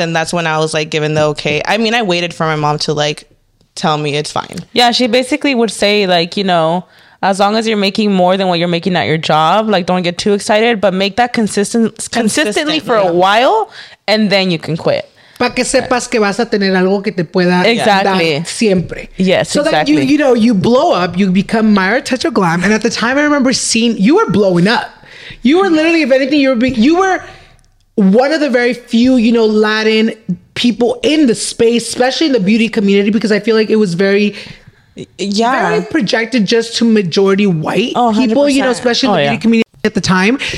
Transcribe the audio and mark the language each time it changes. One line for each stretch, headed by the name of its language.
English: And that's when I was, like, given the okay. I mean, I waited for my mom to, like, tell me it's fine. Yeah, she basically would say, like, you know, as long as you're making more than what you're making at your job, like, don't get too excited, but make that consistently for a while, and then you can quit.
Spanish: Para que sepas que vas a tener algo que te pueda dar siempre.
English: Yes, so exactly. So that you know, you blow up, you become Myra Touch of Glam. And at the time, I remember seeing, you were blowing up. You were literally, if anything, you were one of the very few, you know, Latin people in the space, especially in the beauty community, because I feel like it was very, very projected just to majority white people, you know, especially in the beauty community at the time.